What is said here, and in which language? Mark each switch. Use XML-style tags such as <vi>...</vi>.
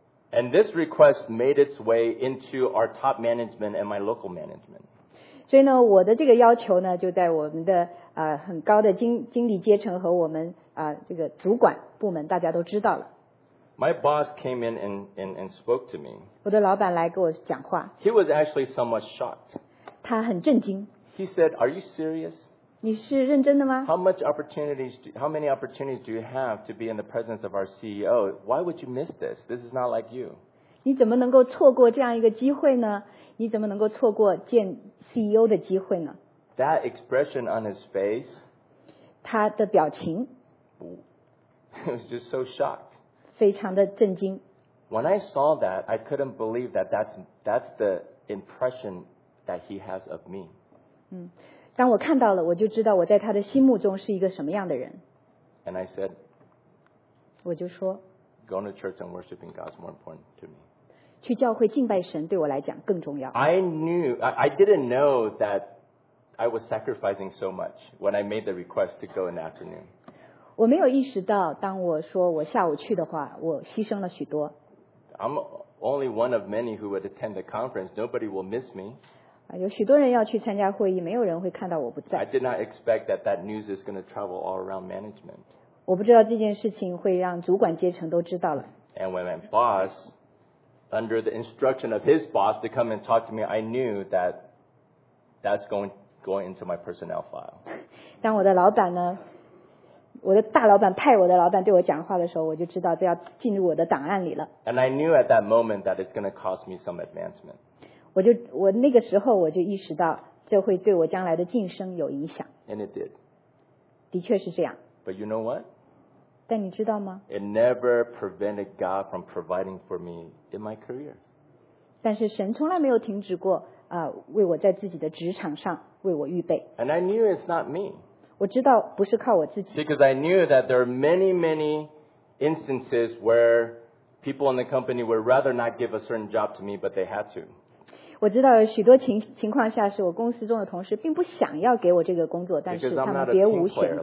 <en>And this request made its way into our top management and my local management.</en> <zh>所以呢，我的这个要求呢，就在我们的很高的经理阶层和我们这个主管部门大家都知道了。</zh> <en>My boss came in and spoke to me.</en> <zh>我的老板来给我讲话。</zh> <en>He was actually somewhat shocked.</en> <zh>他很震惊。</zh> <en>He said, "Are you serious?"</en> <zh>你是认真的吗</zh> <en>How many opportunities do you have to be in the presence of our CEO? Why would you miss this? This is not like you.</en> <zh>你怎么能够错过这样一个机会呢？你怎么能够错过见 CEO 的机会呢？</zh> <en>That expression on his face.</en> <zh>他的表情。</zh> <en>It was just so shocked.</en> <zh>非常的震惊。</zh> <en>When I saw that, I couldn't believe that that's the impression that he has of me.</en> <zh>当我看到了，我就知道我在他的心目中是一个什么样的人。</zh> <en>And I said,</en> <zh>我就说</zh> <en>，Going to church and worshiping God is more important to me.</en> <zh>去教会敬拜神对我来讲更重要。</zh> <en>I didn't know that I was sacrificing so much when I made the request to go in the afternoon.</en> <zh>我没有意识到，当我说我下午去的话，我牺牲了许多。</zh> <en>I'm only one of many who would attend the conference. Nobody will miss me.</en> <zh>有许多人要去参加会议，没有人会看到我不在。</zh> <en>I did not expect that that news is going to travel all around management.</en> <zh>我不知道这件事情会让主管阶层都知道了。</zh> <en>And when my boss, under the instruction of his boss to come and talk to me, I knew that that's going into my personnel file.</en> <zh>当我的老板呢，我的大老板派我的老板对我讲话的时候，我就知道这要进入我的档案里了。</zh> <en>And I knew at that moment that it's going to cost me some advancement.</en> <zh>我那个时候我就意识到这会对我将来的晋升有影响。</zh> <en>And it did.</en> <zh>的确是这样。</zh> <en>But you know what?</en> <zh>但你知道吗?</zh> <en>It never prevented God from providing for me in my career.</en> <zh>但是神从来没有停止过为我在自己的职场上为我预备。</zh> <en>And I knew it's not me.</en> <zh>我知道不是靠我自己。</zh> <en>Because I knew that there are many, many instances where people in the company would rather not give a certain job to me, but they had to.</en> <zh>我知道有许多情况下是我公司中的同事并不想要给我这个工作，但是他们别无选择。</zh>